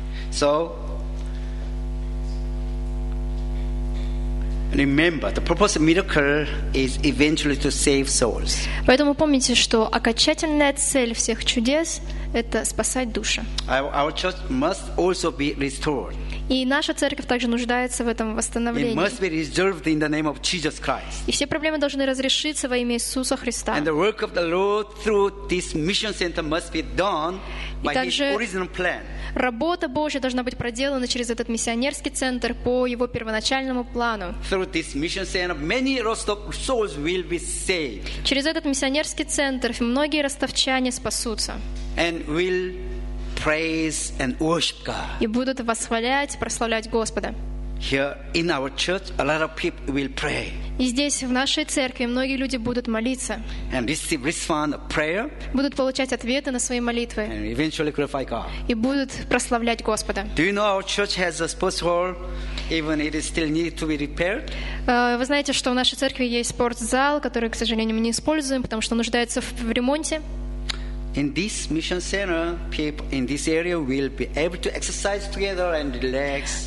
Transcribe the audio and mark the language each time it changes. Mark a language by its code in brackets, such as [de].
[en] So, remember, the purpose of miracle is eventually to save souls. [ru] Поэтому помните, что окончательная цель всех чудес – это спасать души. [en] Our church must also be restored. [ru] И наша церковь также нуждается в этом восстановлении. [en] It must be resolved in the name of Jesus Christ. [ru] И все проблемы должны разрешиться во имя Иисуса Христа. [en] And the work of the Lord through this mission center must be done by His original plan. [ru] Работа Божья должна быть проделана через этот миссионерский центр по его первоначальному плану. [en] Through this mission center, many Rostov souls will be saved. [ru] Через этот миссионерский центр многие ростовчане спасутся. [en] And will praise and worship God. [ru] И будут восхвалять, прославлять Господа. [en] Here in our church, a lot of people will pray. [ru] И здесь в нашей церкви многие люди будут молиться. [en] And receive response of prayer. [ru] Будут получать ответы на свои молитвы. [en] And eventually glorify God. [ru] И будут прославлять Господа. [en] Do you know our church has a sports hall, even it is still need to be repaired? [ru] Вы знаете, что в нашей церкви есть спортзал, который, к сожалению, мы не используем, потому что нуждается в ремонте. [en] In this mission center, people in this area will be able to exercise together and relax.